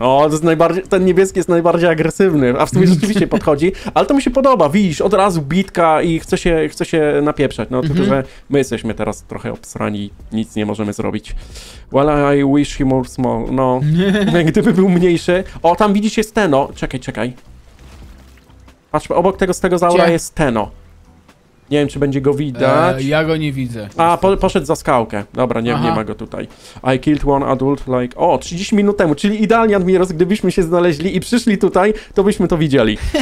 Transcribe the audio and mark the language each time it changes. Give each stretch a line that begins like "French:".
Polish: O, to jest najbardziej, ten niebieski jest najbardziej agresywny, a w sumie rzeczywiście podchodzi. Ale to mi się podoba, widzisz, od razu bitka i chce się napieprzać. No, tylko, że my jesteśmy teraz trochę obsrani, nic nie możemy zrobić.
English: Well, I wish he more small, no.
Polish: Gdyby był mniejszy. O, tam widzisz, jest Teno. Czekaj. Patrz, obok tego z tego zaura jest Teno. Nie wiem, czy będzie go widać. Ja go nie widzę. A, poszedł za skałkę. Dobra, nie ma go tutaj.
English: I killed one adult like...
Polish: O, 30 minut temu, czyli idealnie, Admiros, gdybyśmy się znaleźli i przyszli tutaj, to byśmy to widzieli.